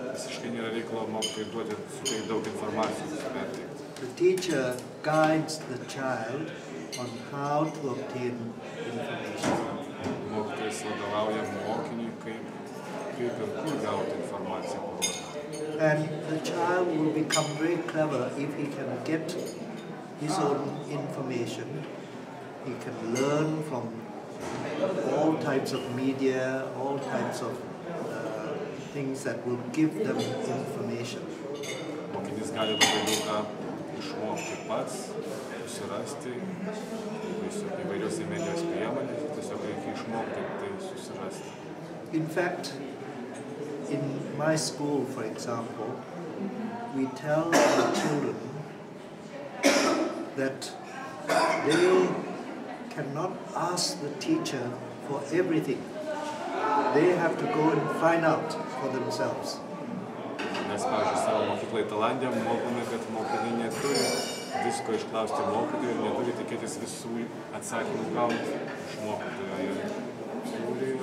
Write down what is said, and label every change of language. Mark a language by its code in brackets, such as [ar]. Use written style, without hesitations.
[lt] Visiškai nėra reikalo mokytojui duoti suteikti daug informacijos. [en] The teacher guides the child on how to obtain information. [lt] Mokytojas vadovauja mokiniui, kaip ir kur gauti informaciją. [en] And the child will become very clever if he can get his own information. He can learn from all types of media, all types of things that will give them information. [lt] Mokinis gali labai daug ką išmokti pats, susirasti įvairiose medijos priemonės, tiesiog reikia išmokti tai susirasti. [en] In fact, in my school, for example, we tell the children that they cannot ask the teacher for everything. They have to go and find out for themselves. [lt] Mes, pavyzdžiui, savo mokyklai Tailande mokome, kad mokiniai neturi visko išklausti mokytojų ir neturi tikėtis visų atsakymų gauti iš mokytojų.